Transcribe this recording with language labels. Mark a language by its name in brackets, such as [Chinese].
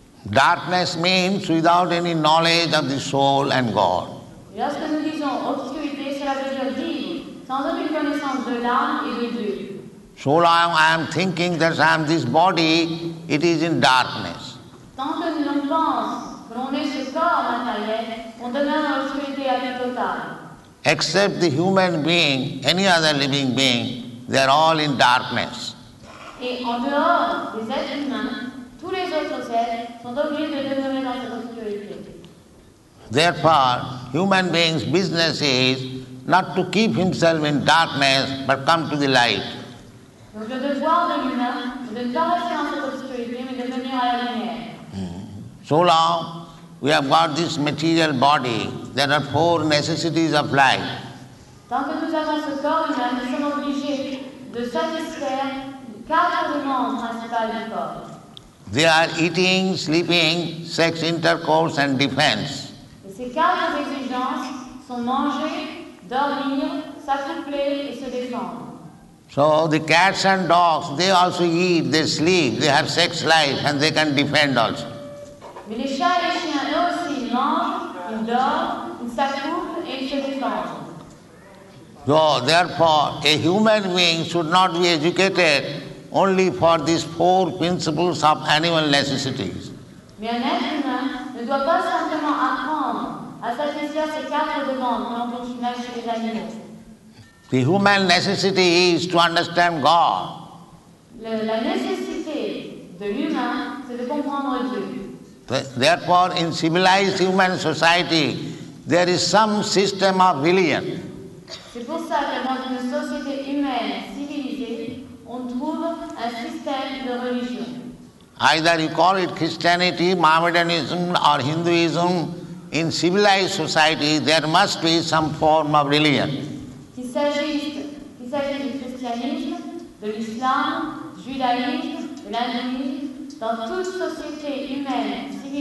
[English] Darkness means without any knowledge of the soul and God. [French] Lorsque nous disons obscurité, cela veut dire vivre sans aucune connaissance de l'âme et de Dieu. [English] So long I am thinking that I am this body, it is in darkness. [French] Tant que l'on pense que l'on est ce corps matériel, on demeure dans l'obscurité à vie totale. [English] Except the human being, any other living being, They are all in darkness. [French] Et en dehors des êtres humains, tous les autres êtres sont obligés de demeurer dans l'obscurité. [English] Therefore, human being's business is not to keep himself in darkness, but come to the light. [French] Donc le devoir de l'humain est de ne pas rester dans l'obscurité, mais de venir à la lumière. [English] So long we have got this material body, there are four necessities of life. [French] Tant que nous avons ce corps humain, nous sommes obligés de satisfaire quatre demandes principales du corps. [English] They are eating, sleeping, sex intercourse and defense. [French] Et ces quatre exigences sont manger, dormir, s'accoupler et se défendre. [English] So the cats and dogs, they also eat, they sleep, they have sex life and they can defend also. [French] Mais les chats et les chiens, eux aussi, ils mangent, ils dorment, ils s'accouplent et ils se défendent. [English] So, therefore, a human being should not be educated only for these four principles of animal necessities. [French] Mais un être humain ne doit pas simplement apprendre à satisfaire ces quatre demandes quand on imagine chez les animaux. [English] The human necessity is to understand God. [French] La nécessité de l'humain, c'est de comprendre Dieu. [English] Therefore, in civilized human society, there is some system of religion. [French] C'est pour ça que dans une société humaine civilisée, on trouve un système de religion. [English] Either you call it Christianity, Mohammedanism, or Hinduism, in civilized society, there must be some form of religion. [French] Qu'il s'agisse du christianisme, de l'islam, du judaïsme, de l'hindouisme, dans toute société humaine,